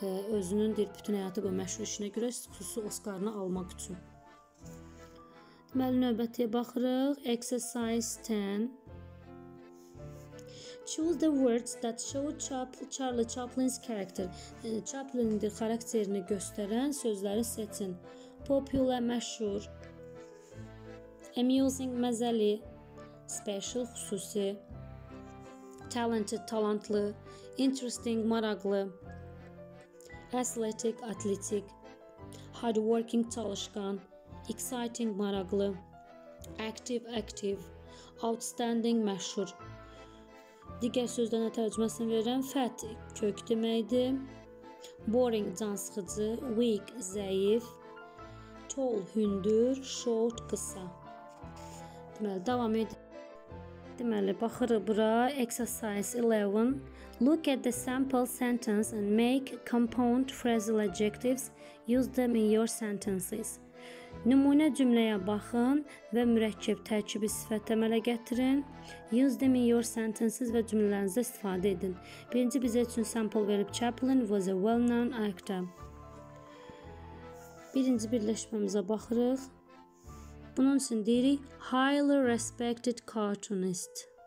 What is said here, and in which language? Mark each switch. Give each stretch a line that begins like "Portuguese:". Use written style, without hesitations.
Azerbaijani: Özünün bütün həyatı bu məşhur işinə görə xüsusi Oscarını almaq üçün. Deməli, növbətiyə baxırıq.
English: Exercise 10. Choose the words that show Charlie Chaplin's character.
Azerbaijani: Chaplin'in xarakterini göstərən sözləri seçin.
English: Popular, məşhur. Amusing, məzəli. Special, xüsusi. Talented, talentlı. Interesting, maraqlı. Athletic, atletik. Hardworking, çalışqan. Exciting, maraqlı. Active, active. Outstanding, məşhur.
Azerbaijani: Digər sözlərinə tərcüməsini verirəm. Fat, kök deməkdir. Boring, cansıxıcı.
English: Weak, zəif. Tall, hündür.
Azerbaijani: Short, qısa. Deməli, davam edin. Deməli, baxırıq bura.
English: Exercise 11. Look at the sample sentence and make compound phrasal adjectives. Use them in your sentences.
Azerbaijani: Nümunə cümləyə baxın və mürəkkəb tərkibi sifət əmələ gətirin.
English: Use them in your sentences
Azerbaijani: və cümlələrinizdə istifadə edin. Birinci bizə üçün sample verib
English: Chaplin was a well-known actor.
Azerbaijani: Birinci birləşməmizə baxırıq. Bunun üçün deyirik,
English: highly respected cartoonist.